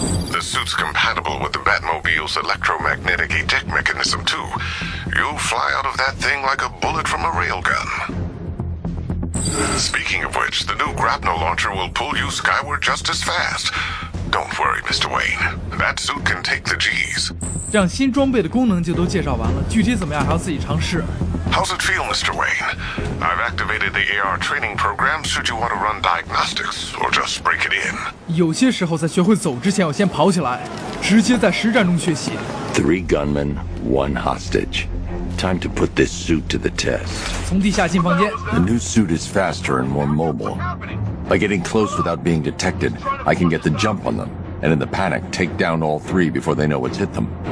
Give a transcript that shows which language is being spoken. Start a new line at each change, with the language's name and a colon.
English: The suit's compatible with the Batmobile's electromagnetic eject mechanism, too. You'll fly out of that thing like a bullet from a railgun. Speaking of which, the new grapnel launcher will pull you skyward just as fast. Don't worry, Mr. Wayne. That suit can take the G's.
Chinese: 这样新装备的功能就都介绍完了，具体怎么样还要自己尝试。
English: How's it feel, Mr. Wayne? I've activated the AR training program should you want to run diagnostics or just break it in.
Chinese: 有些时候在学会走之前要先跑起来，直接在实战中学习。
English: Three gunmen, one hostage. Time to put this suit to the test.
Chinese: 从地下进房间。
English: The new suit is faster and more mobile. By getting close without being detected, I can get the jump on them, and in the panic, take down all three before they know what's hit them.